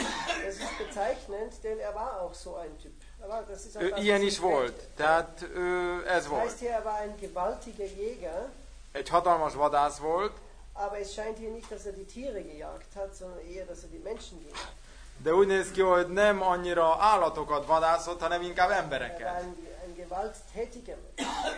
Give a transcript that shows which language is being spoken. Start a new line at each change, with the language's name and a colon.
German: Das ist bezeichnend, denn er war auch so ein Typ.
Hungarian: Ilyen is volt, tehát ez volt.
German: Heißt hier, er war ein gewaltiger Jäger.
Hungarian: Egy hatalmas vadász volt.
German: Aber es scheint hier nicht, dass er die Tiere gejagt hat, sondern eher, dass er die Menschen gejagt hat.
Hungarian: De úgy néz ki, hogy nem annyira állatokat vadászott, hanem inkább embereket.
German: Ein gewalttätiger Mensch.